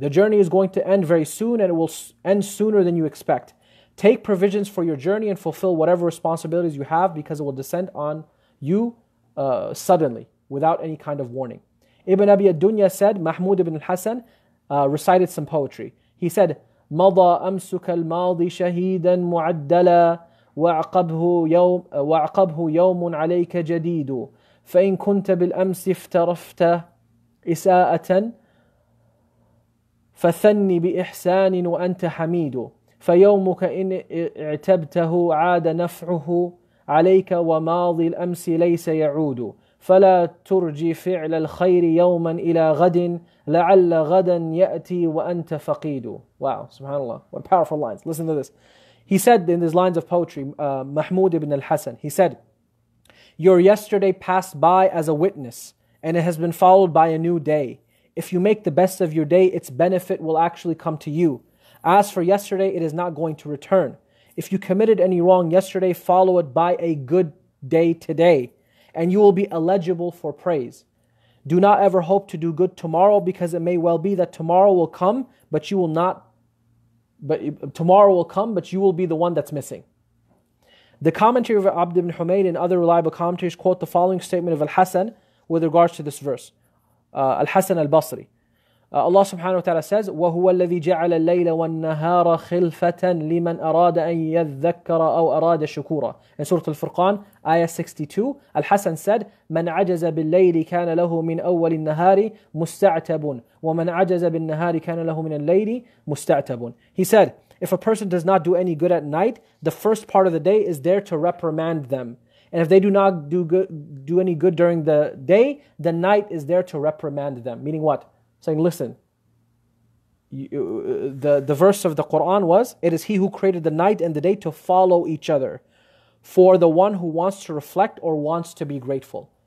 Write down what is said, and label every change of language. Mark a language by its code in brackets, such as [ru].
[en] The journey is going to end very soon and it will end sooner than you expect. Take provisions for your journey and fulfill whatever responsibilities you have because it will descend on you suddenly without any kind of warning. Ibn Abi Ad-Dunya said, Mahmud ibn al-Hasan recited some poetry. He said, [ar] مَضَى أَمْسُكَ الْمَاضِي شَهِيدًا مُعَدَّلًا وَعَقَبْهُ يَوْمٌ عَلَيْكَ جَدِيدٌ فَإِنْ كُنْتَ بِالْأَمْسِ افْتَرَفْتَ إِسَاءَةً فَثَنِّ بِإِحْسَانٍ وَأَنْتَ حَمِيدٌ فيومك إن اعتبته عاد نفعه عليك وماضي الأمس ليس يعود فلا ترجي فعل الخير يوما إلى غد لعل غدا يأتي وأنت فقيد. [en] Wow, subhanAllah, what powerful lines. Listen to this. He said in these lines of poetry, Mahmud ibn al-Hasan, he said, your yesterday passed by as a witness and it has been followed by a new day. If you make the best of your day, its benefit will actually come to you. As for yesterday, it is not going to return. If you committed any wrong yesterday, follow it by a good day today, and you will be eligible for praise. Do not ever hope to do good tomorrow, because it may well be that tomorrow will come, but you will not. But tomorrow will come, but you will be the one that's missing. The commentary of Abd ibn Humayd and other reliable commentaries quote the following statement of Al-Hasan with regards to this verse, Al-Hasan al-Basri. Allah subhanahu wa ta'ala says, [ar] وَهُوَ الَّذِي جَعَلَ اللَّيْلَ وَالنَّهَارَ خِلْفَةً لِمَنْ أَرَادَ أَن يَذَّكَّرَ أَوْ أَرَادَ شُكُورًا. [en] In Surah Al-Furqan, Ayah 62, Al-Hasan said, [ar] مَنْ عَجَزَ بِاللَّيْلِ كَانَ لَهُ مِنْ أَوَّلِ النَّهَارِ مُسْتَعْتَبٌ وَمَنْ عَجَزَ بِالنَّهَارِ كَانَ لَهُ مِنَ اللَّيْلِ مُسْتَعْتَبٌ. [en] He said, if a person does not do any good at night, the first part of the day is there to reprimand them. And if they do not do any good during the day, the night is there to reprimand them. Meaning what? Saying, listen, the verse of the Quran was, it is He who created the night and the day to follow each other for the one who wants to reflect or wants to be grateful.